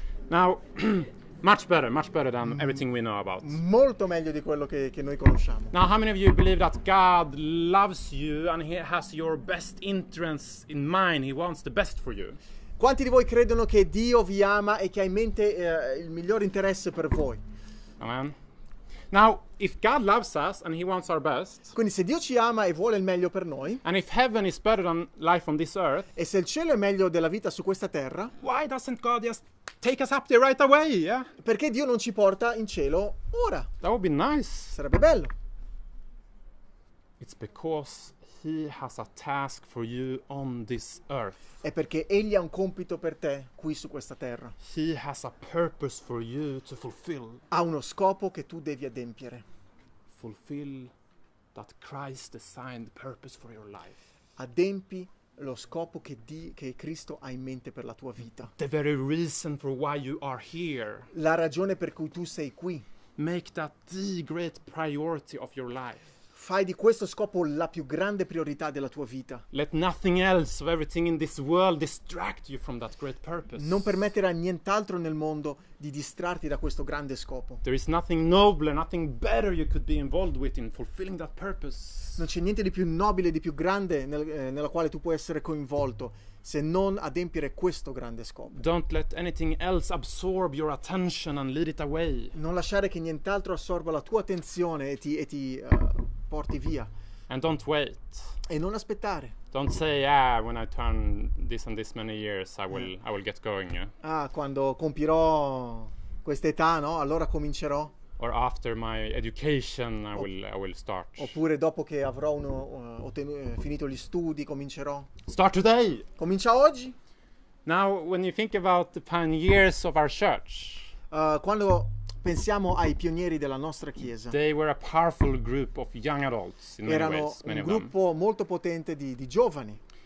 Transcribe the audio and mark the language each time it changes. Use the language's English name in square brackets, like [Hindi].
[English] Now, much better than everything we know about. [Italian] Molto meglio di quello che noi conosciamo. [English] Now, how many of you believe that God loves you and He has your best interests in mind? He wants the best for you. [Italian] Quanti di voi credono che Dio vi ama e che ha in mente il miglior interesse per voi? Amen. [English] Now, if God loves us and He wants our best, [Italian] quindi se Dio ci ama e vuole il meglio per noi, [English] and if heaven is better than life on this earth, [Italian] e se il cielo è meglio della vita su questa terra, [English] why doesn't God just take us up there right away, yeah? [Italian] Perché Dio non ci porta in cielo ora. [English] That would be nice. [Italian] Sarebbe bello. [English] It's because he has a task for you on this earth. [Italian] È perché egli ha un compito per te qui su questa terra. [English] He has a purpose for you to fulfill. [Italian] Ha uno scopo che tu devi adempiere. [English] Fulfill that Christ designed purpose for your life. [Italian] Adempi lo scopo che Cristo ha in mente per la tua vita. [English] The very reason for why you are here. [Italian] La ragione per cui tu sei qui. [English] Make that the great priority of your life. [Italian] Fai di questo scopo la più grande priorità della tua vita. [English] Let nothing else or everything in this world distract you from that great purpose. [Italian] Non permettere a nient'altro nel mondo di distrarti da questo grande scopo. [English] There is nothing nobler, nothing better you could be involved with in fulfilling that purpose. [Italian] Non c'è niente di più nobile, di più grande nella quale tu puoi essere coinvolto se non adempiere questo grande scopo. [English] Don't let anything else absorb your attention and lead it away. [Italian] Non lasciare che nient'altro assorba la tua attenzione e ti porti via. [English] And don't wait. [Italian] E non aspettare. [English] Don't say, ah, when I turn this and this many years, I will get going. Yeah? [Italian] Ah, quando compirò quest'età, no? Allora comincerò. [English] Or after my education, I will start. [Italian] Oppure dopo che avrò finito gli studi, comincerò. [English] Start today. [Italian] Comincia oggi. [English] Now, when you think about the pioneers of our church. [Italian] Quando pensiamo ai pionieri della nostra chiesa. [English] They were a powerful group of young adults in [Italian] erano [English] many ways, many [Italian] un gruppo [English] them. [Italian] Molto potente di giovani.